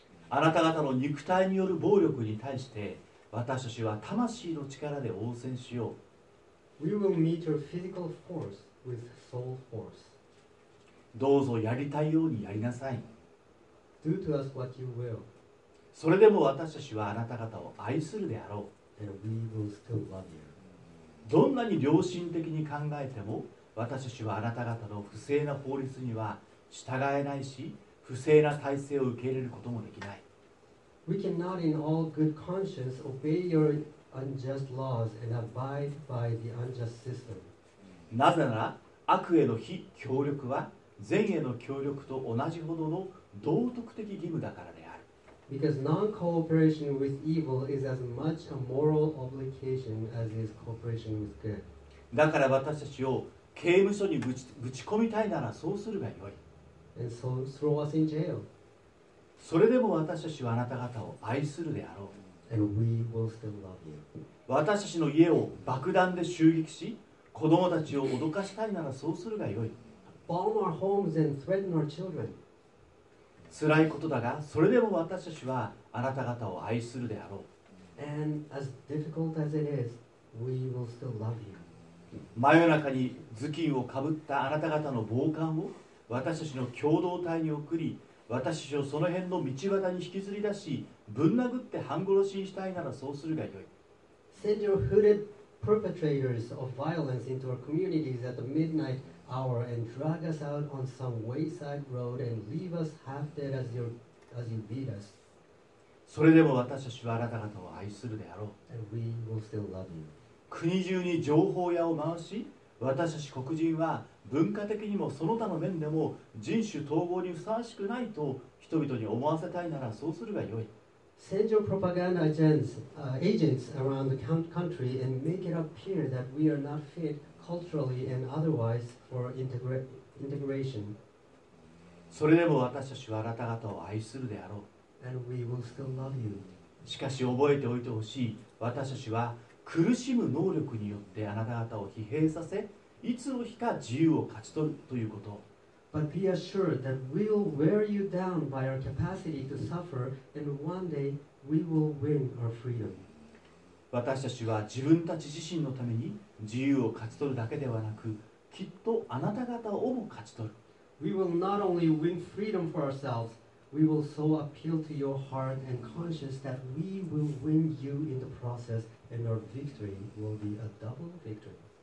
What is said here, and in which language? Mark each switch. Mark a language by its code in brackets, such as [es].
[ja] あなた方の肉体による暴力に対して私たちは魂の力で応戦しよう。 [en] We will meet your physical force with soul force. [ja] どうぞやりたいようにやりなさい。 [en] Do to us what you will. [ja] それでも私たちはあなた方を愛するであろう。 [en] And we will still love you. [ja] どんなに良心的に考えても私たちはあなた方の不正な法律には従えないし不正な体制を受け入れることもできない。 [en] We cannot in all good conscience obey your unjust laws and abide by the unjust system. [ja] なぜなら悪への非協力は善への協力と同じほどの道徳的義務だからである。 [en] Because non-cooperation with evil is as much a moral obligation as is cooperation with good. [ja] だから私たちを刑務所にぶち込みたいならそうするがよい。 [en] And so throw us in jail. [ja] それでも私たちはあなた方を愛するであろう。 [en] And we will still love you. [ja] 私たちの家を爆弾で襲撃し、子供たちを脅かしたいならそうするがよい。 [en] Bomb our homes and threaten our children. [ja] 辛いことだが、それでも私たちはあなた方を愛するであろう。 [en] And as difficult as it is, we will still love you. [ja] 真夜中に頭巾をかぶったあなた方の暴漢を私たちの共同体に送り、私をその辺の道端に引きずり出し、ぶん殴って半殺しにしたいならそうするがよい。 [en] Send your hooded perpetrators of violence into our communities at the midnight hour and drag us out on some wayside road and leave us half dead as you beat us. [ja] それでも私たちはあなた方を愛するであろう。 [en] And we will still love you. [ja] 国中に情報屋を回し、私たち黒人は文化的にもその他の面でも人種統合にふさわしくないと人々に思わせたいならそうするがよい。 [en] Send your propaganda agents, agents around the country and make it appear that we are not fit culturally and otherwise for integration. [ja] それでも私たちはあなた方を愛するであろう。 [en] And we will still love you. [ja] しかし覚えておいてほしい。私たちは苦しむ能力によってあなた方を疲弊させ、いつの日か自由を勝ち取るということ。 [en] But be assured that we will wear you down by our capacity to suffer, and one day we will win our freedom. [ja] 私たちは自分たち自身のために自由を勝ち取るだけではなく、きっとあなた方をも勝ち取る。 [en] We will not only win freedom for ourselves, we will so appeal to your heart and conscience that we will win you in the process, and our victory will be a double victory.